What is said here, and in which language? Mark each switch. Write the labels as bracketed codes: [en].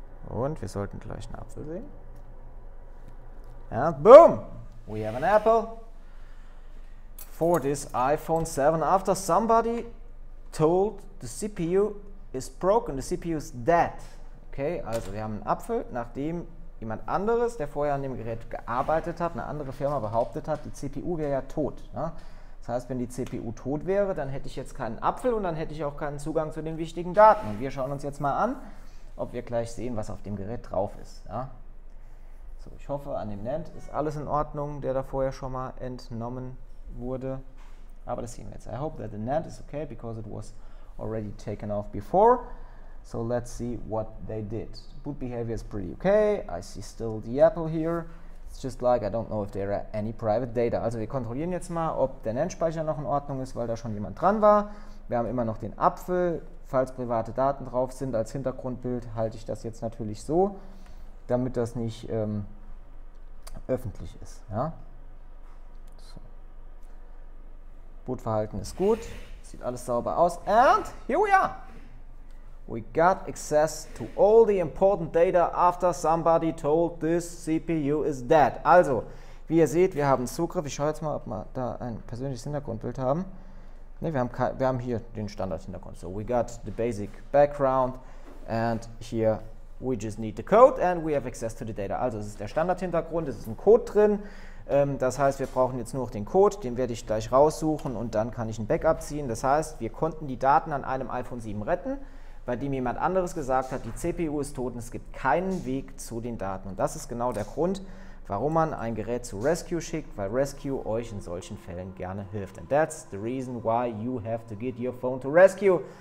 [de] Und wir sollten gleich einen Apfel sehen. [en] And boom! We have an apple! For this iPhone 7, after somebody told the CPU is broken, the CPU is dead. [de] Okay, also wir haben einen Apfel, nachdem jemand anderes, der vorher an dem Gerät gearbeitet hat, eine andere Firma behauptet hat, die CPU wäre ja tot. Ne? Das heißt, wenn die CPU tot wäre, dann hätte ich jetzt keinen Apfel und dann hätte ich auch keinen Zugang zu den wichtigen Daten. Und wir schauen uns jetzt mal an, ob wir gleich sehen, was auf dem Gerät drauf ist. Ja? So, ich hoffe, an dem NAND ist alles in Ordnung, der da vorher schon mal entnommen wurde. Aber das sehen wir jetzt. [en] I hope that the NAND is okay, because it was already taken off before. So let's see what they did. Boot behavior is pretty okay. I see still the Apple here. It's just like I don't know if there are any private data. [de] Also wir kontrollieren jetzt mal, ob der NAND-Speicher noch in Ordnung ist, weil da schon jemand dran war. Wir haben immer noch den Apfel. Falls private Daten drauf sind als Hintergrundbild, halte ich das jetzt natürlich so, damit das nicht öffentlich ist. Ja? So. Bootverhalten ist gut. Sieht alles sauber aus. [en] And here we are. We got access to all the important data after somebody told this CPU is dead. [de] Also, wie ihr seht, wir haben Zugriff. Ich schaue jetzt mal, ob wir da ein persönliches Hintergrundbild haben. Ne, wir haben hier den Standard-Hintergrund. [en] So, we got the basic background and here we just need the code and we have access to the data. [de] Also, es ist der Standard-Hintergrund, es ist ein Code drin. Das heißt, wir brauchen jetzt nur noch den Code, den werde ich gleich raussuchen und dann kann ich ein Backup ziehen. Das heißt, wir konnten die Daten an einem iPhone 7 retten, bei dem jemand anderes gesagt hat, die CPU ist tot und es gibt keinen Weg zu den Daten. Und das ist genau der Grund, warum man ein Gerät zu Rescue schickt, weil Rescue euch in solchen Fällen gerne hilft. [en] And that's the reason why you have to get your phone to Rescue.